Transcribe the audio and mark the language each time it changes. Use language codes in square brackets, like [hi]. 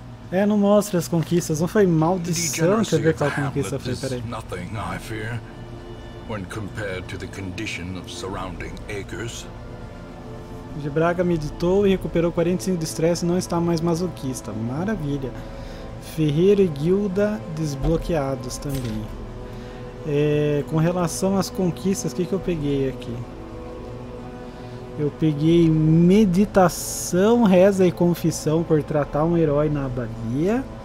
[pt] É, não mostra as conquistas, não foi maldição. Deixa eu ver qual conquista foi, peraí. [en] Nothing, I fear, when compared to the condition of surrounding acres. [pt] De Braga meditou e recuperou 45 de estresse e não está mais masoquista. Maravilha. Ferreiro e Guilda desbloqueados também. É, com relação às conquistas, o que eu peguei aqui? Eu peguei meditação, reza e confissão por tratar um herói na abadia.